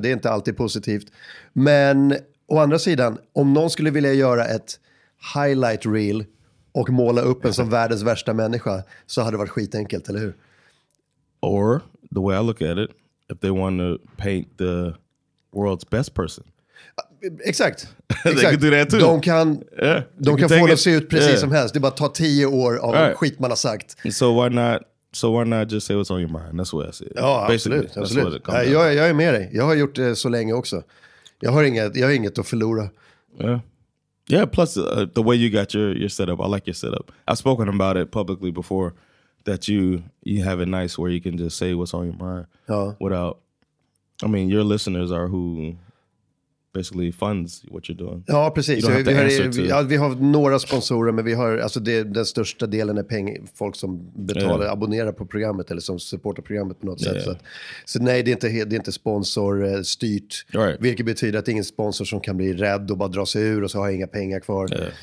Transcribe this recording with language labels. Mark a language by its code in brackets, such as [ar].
[sv] Det är inte alltid positivt. Men å andra sidan, om någon skulle vilja göra ett highlight reel och måla upp en som världens värsta människa, så hade det varit skitenkelt, eller hur? [en] Or, the way I look at it, if they want to paint the world's best person. [sv] Exakt. [en] They could do that too. [sv] De kan få det att se ut precis som helst. Det är bara ta 10 år av skit man har sagt. [en] So why not So why not just say what's on your mind? That's what I said. [sv] Ja, absolut. Absolut. Jag är med dig. Jag har gjort det så länge också. Jag har inget att förlora. [en] Yeah. Yeah, plus the way you got your setup. I like your setup. I've spoken about it publicly before that you have it nice where you can just say what's on your mind. [sv] Ja. [en] Without, I mean, your listeners are who basically funds what you're doing. [sv] Ja, precis. Vi har några sponsorer, men vi har alltså den största delen är pengar, folk som betalar, yeah, abonnerar på programmet eller som supportar programmet på något, yeah, sätt. Så nej, det är inte sponsorstyrt, [en] right, [sv] vilket betyder att det är ingen sponsor som kan bli rädd och bara dra sig ur och så har inga pengar kvar.